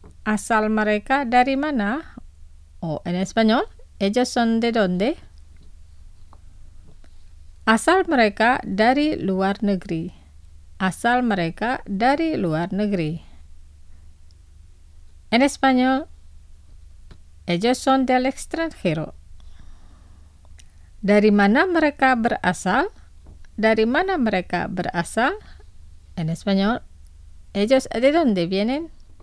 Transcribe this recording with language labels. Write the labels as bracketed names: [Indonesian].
[Indonesian] Asal mereka dari mana? [Spanish] O en español, ellos son de dónde? [Indonesian] Asal mereka dari luar negeri. [Spanish] En español, ellos son del extranjero. [Indonesian] Dari mana mereka berasal? [Spanish] En español, ellos de dónde vienen?